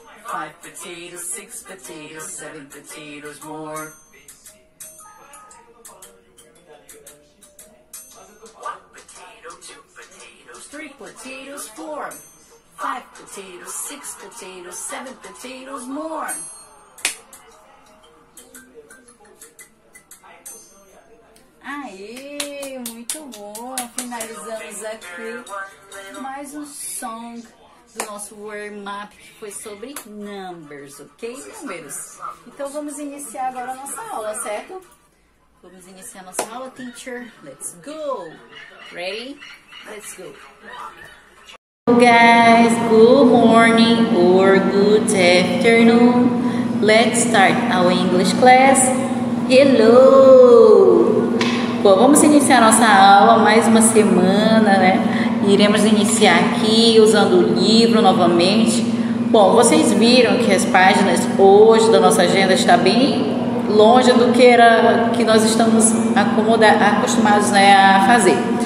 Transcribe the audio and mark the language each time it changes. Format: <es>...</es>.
<en>Five potatoes, six potatoes, seven potatoes more. One potato, two potatoes, three potatoes, four. Five potatoes, six potatoes, seven potatoes more.</en> <pt>Aê, muito bom, finalizamos aqui mais um song do nosso warm-up, que foi sobre numbers, ok? Números. Então, vamos iniciar agora a nossa aula, certo? Vamos iniciar a nossa aula,</pt> <en>teacher. Let's go. Ready? Let's go. Hello, guys. Good morning or good afternoon. Let's start our English class. Hello.</en> <pt>Bom, vamos iniciar nossa aula, mais uma semana, né? Iremos iniciar aqui usando o livro novamente. Bom, vocês viram que as páginas hoje da nossa agenda está bem longe do que era que nós estamos acostumados, né, a fazer.</pt>